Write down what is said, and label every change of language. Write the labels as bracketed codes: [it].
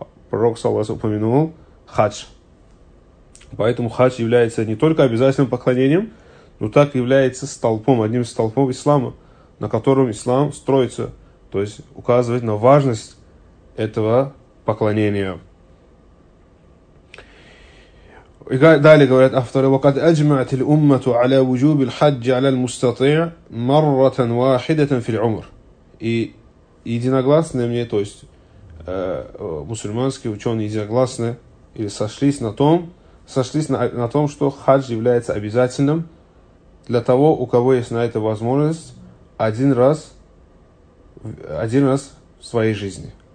[ru] Пророк саллаллаху алейхи ва саллям упомянул хадж. Поэтому хадж является не только обязательным поклонением, но так является столпом, одним из столпов ислама, на котором ислам строится. То есть указывает на важность этого поклонения. [ar] ذلك ولا أفضل. وقد أجمعت الأمة على وجوب الحج على المستطيع مرة واحدة في العمر. [ru] И единогласное мнение, то есть мусульманские ученые единогласны или сошлись на том, что хадж является обязательным для того, у кого есть на это возможность один раз в своей жизни.